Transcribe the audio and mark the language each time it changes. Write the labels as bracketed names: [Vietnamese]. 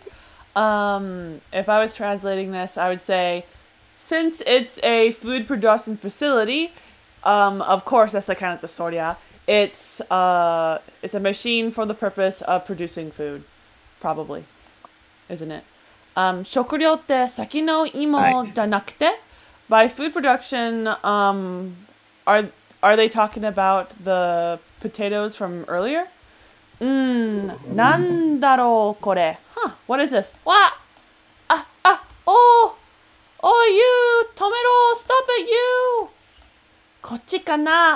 [English] if I was translating this, I would say, since it's a food production facility, of course, that's like kind of the sort, yeah. It's a machine for the purpose of producing food, probably, isn't it? [Japanese] 食料って先の芋じゃなくて? [English] By food production, are they talking about the potatoes from earlier? [Japanese] なんだろうこれ? [English] Huh, what is this? Wah! Ah! Oh! Oh, you! [Japanese] Tomero! [English] Stop it, you! [Japanese] こっちかな?